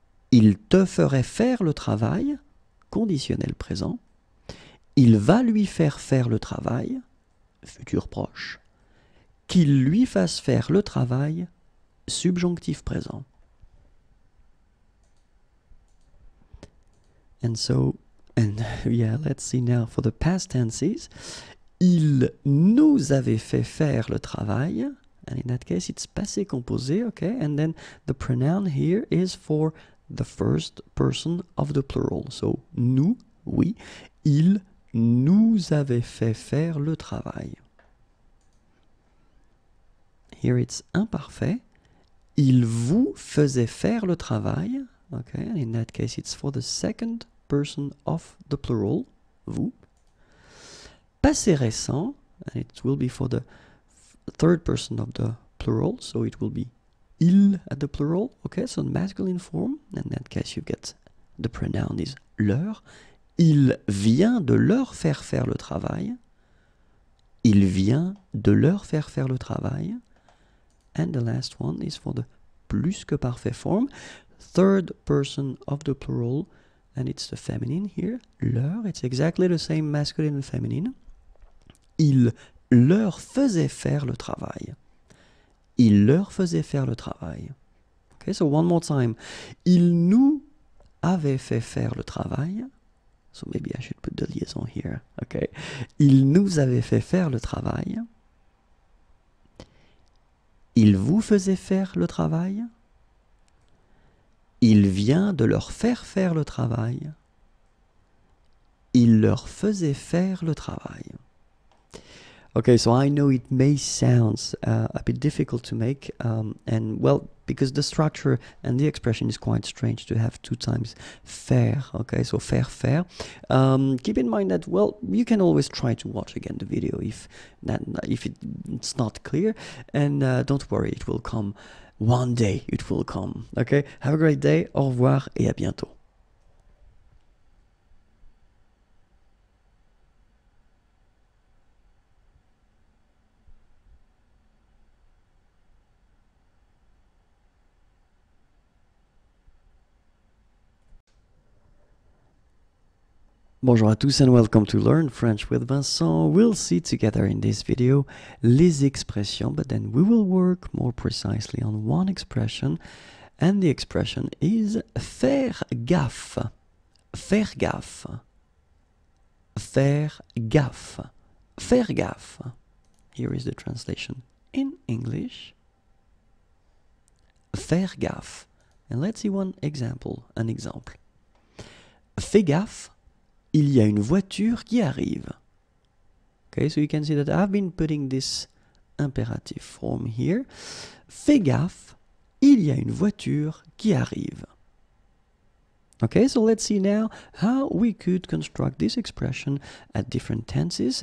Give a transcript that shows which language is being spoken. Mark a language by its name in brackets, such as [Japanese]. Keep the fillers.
[French] Il te ferait faire le travail, conditionnel présent. Il va lui faire faire le travail, futur proche qu'il lui fasse faire le travail subjonctif présent. [English] And so, and yeah, let's see now for the past tenses. [French] Il nous avait fait faire le travail. [English] And in that case, it's passé composé, okay? And then the pronoun here is for the first person of the plural. [French] So, nous, oui. Il nous avait fait faire le travail [English] here it's [French] imparfait. Il vous faisait faire le travail. [English] Okay, and in that case, it's for the second person of the plural, vous. Passé récent, and it will be for the third person of the plural, so it will be il at the plural. Okay, so in masculine form, in that case, you get the pronoun is leur. [French] Il vient de leur faire faire le travail. Il vient de leur faire faire le travail. [English] And the last one is for the plus que parfait form, third person of the plural, and it's the feminine here, leur, it's exactly the same masculine and feminine. [French] Il leur faisait faire le travail. Il leur faisait faire le travail. [English] Okay, so one more time. [French] Il nous avait fait faire le travail. [English] So maybe I should put the liaison here. [French] Okay. Il nous avait fait faire le travail. Il vous faisait faire le travail. Il vient de leur faire faire le travail. Il leur faisait faire le travail. [English] Okay, so I know it may sound uh, a bit difficult to make, um, and well, because the structure and the expression is quite strange to have two times faire, okay, so faire faire. Um, keep in mind that, well, you can always try to watch again the video if, that, if it's not clear, and uh, don't worry, it will come one day, it will come, okay? Have a great day, [French] au revoir et à bientôt. Bonjour à tous [English] and welcome to Learn French with Vincent. We'll see together in this video [French] les expressions, [English] but then we will work more precisely on one expression, and the expression is faire gaffe. [French] Faire gaffe. Faire gaffe. Faire gaffe. [English] Here is the translation in English. Faire gaffe. And let's see one example. An example. Faire gaffe. [French] il y a une voiture qui arrive. [English] Okay, so you can see that I've been putting this imperative form here. [French] Fais gaffe, il y a une voiture qui arrive. [English] Okay, so let's see now how we could construct this expression at different tenses.